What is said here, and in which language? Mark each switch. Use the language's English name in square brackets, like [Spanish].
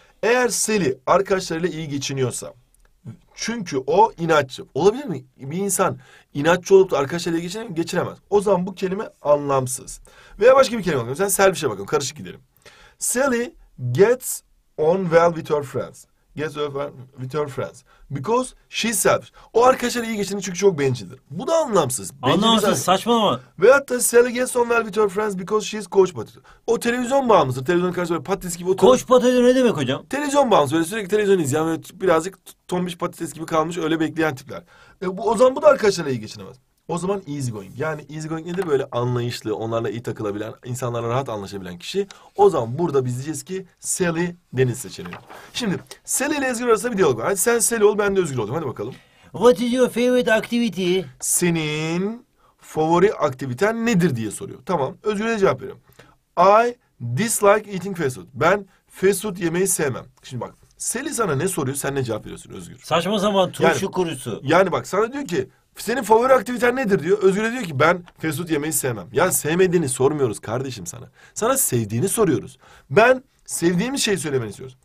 [Turkish] Eğer Sally arkadaşlarıyla iyi geçiniyorsa... Çünkü o inatçı. Olabilir mi? Bir insan inatçı olup da arkadaşlarıyla geçiremez. O zaman bu kelime anlamsız. Veya başka bir kelime bakalım. Mesela selfish'e bakalım. Karışık gidelim. [English] Sally gets on well with her friends. Gets on well with her friends. Because she's selfish. [Turkish] O arkadaşlarıyla iyi geçiniyor çünkü çok bencildir. Bu da anlamsız. Anlamsız. Saçmalama. Veyahut da [English] Sally gets on well with her friends because she's coach potato. [Turkish] O televizyon bağımlısıdır. Televizyonun karşısında böyle patates gibi oturuyor. Coach potato ne demek hocam? Televizyon bağımlısı. Böyle sürekli televizyon izliyor. Böyle birazcık tombiş patates gibi kalmış öyle bekleyen tipler. O zaman bu da arkadaşlarıyla iyi geçinemez. O zaman easy going. Yani easy going nedir? Böyle anlayışlı, onlarla iyi takılabilen, insanlarla rahat anlaşabilen kişi. O zaman burada biz diyeceğiz ki Sally deniz seçeneği. Şimdi Sally ile Özgür arasında bir diyalog var. Hadi sen Sally ol, ben de Özgür olayım. Hadi bakalım. [English] What is your favorite activity? [Turkish] Senin favori aktiviten nedir diye soruyor. Tamam. Özgür'e cevap veriyorum. [English] I dislike eating fast food. [Turkish] Ben fast food yemeyi sevmem. Şimdi bak. Sally sana ne soruyor? Sen ne cevap veriyorsun Özgür? Saçma zaman turşu yani, kurusu. Yani bak sana diyor ki senin favori aktiviten nedir diyor. Özgür'e diyor ki ben fast food yemeyi sevmem. Ya sevmediğini sormuyoruz kardeşim sana. Sana sevdiğini soruyoruz. Ben sevdiğim şeyi söylemeni istiyoruz.